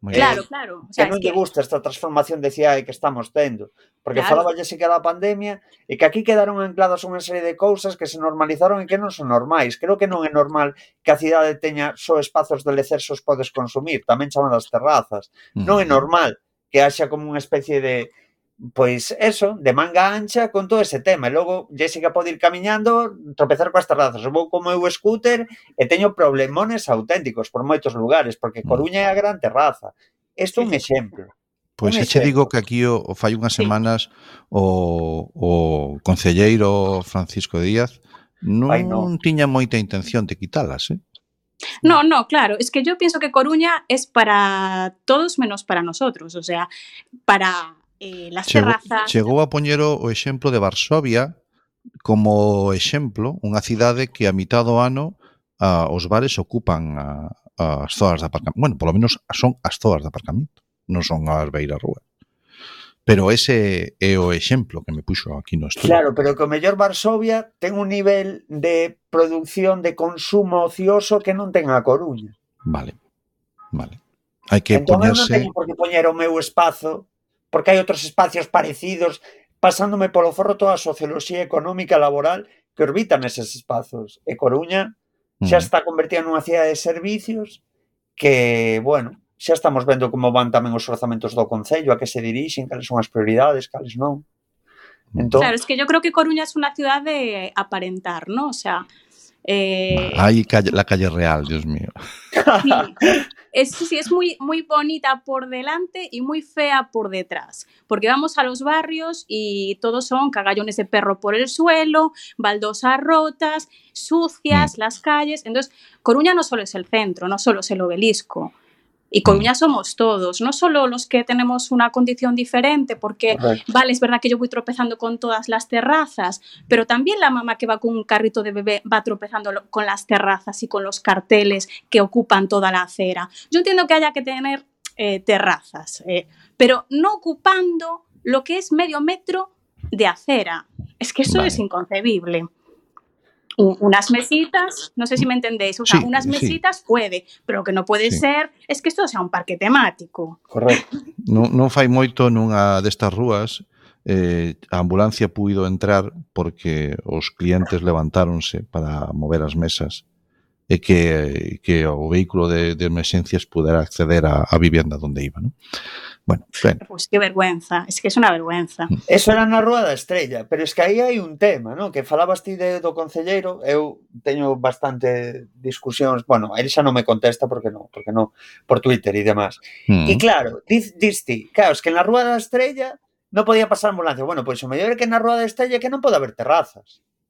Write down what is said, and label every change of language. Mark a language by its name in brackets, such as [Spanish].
[Spanish] Claro, claro. O sea, que no te gusta esta transformación de ciudad que estamos teniendo. Porque claro. falaba Jessica de la pandemia y que aquí quedaron ancladas una serie de cosas que se normalizaron y que no son normales. Creo que no es normal que la ciudad tenga solo espacios de lecer que puedes consumir, también llamadas terrazas. Uh-huh. No es normal que [Galician] haxa como unha especie de, pois, eso, de manga ancha con todo ese tema. E logo, Jessica pode ir camiñando, tropezar coas terrazas. Vou con o meu scooter e teño problemones auténticos por moitos lugares, porque Coruña é a gran terraza. Isto é un exemplo. Pois, pues, eche digo que aquí, o fai unhas semanas, o concelleiro Francisco Díaz non tiña moita intención de quitalas, eh? [Spanish] No, claro, es que yo pienso que Coruña es para todos menos para nosotros, o sea, para las terrazas. Llegó a poner o ejemplo de Varsovia como ejemplo, una ciudad que a mitad do ano [Galician] os bares ocupan as zoas de aparcamiento. [Spanish] Bueno, por lo menos son as zoas de aparcamiento, no son as beiras rúa. [Galician] Pero ese é o exemplo que me puxo aquí no estudio. Claro, pero que o mellor Varsovia ten un nivel de producción de consumo ocioso que non ten a Coruña. Vale. Hai que poñerse... Entón, non teño por que poñer o meu espazo, porque hai outros espacios parecidos, pasándome polo forro toda a socioloxía económica laboral que orbitan esos espazos. E Coruña xa está convertida nunha cidade de servicios que, bueno... Xa estamos vendo como van tamén os orzamentos do Concello, a que se dirixen, cales son as prioridades, cales non. Entón... [Spanish] Claro, es que yo creo que Coruña es una ciudad de aparentar, ¿no? O sea, Ay, la calle Real, Dios mío. Sí, es muy, muy bonita por delante y muy fea por detrás. Porque vamos a los barrios y todos son cagallones de perro por el suelo, baldosas rotas, sucias las calles. Entonces, Coruña no solo es el centro, no solo es el obelisco. Y Coruña somos todos, no solo los que tenemos una condición diferente, porque, correcto, vale, es verdad que yo voy tropezando con todas las terrazas, pero también la mamá que va con un carrito de bebé va tropezando con las terrazas y con los carteles que ocupan toda la acera. Yo entiendo que haya que tener terrazas, pero no ocupando lo que es medio metro de acera. Es que eso, vale, es inconcebible. Unas mesitas, no sé si me entendéis, o sea, sí, unas mesitas, sí, puede, pero lo que no puede, sí, ser es que esto sea un parque temático. Correcto. [Galician] No fai moito nunha destas rúas, a ambulancia puido entrar porque os clientes levantáronse para mover as mesas e que o vehículo de emerxencias pudera acceder á vivienda onde iba, ¿no? [Spanish] Bueno, pues qué vergüenza, es que es una vergüenza. [Galician] Eso era na Rúa da Estrella, [Spanish] pero es que [Galician] aí hai un tema, ¿no? Que falabas ti do concelleiro, eu teño bastante discusións, bueno, ele xa non me contesta porque no, por Twitter e demás. Mm. E claro, diste, claro, es que na Rúa da Estrella non podía pasar ambulancia. Bueno, pois o mellor é que na Rúa da Estrella que non pode haber terrazas.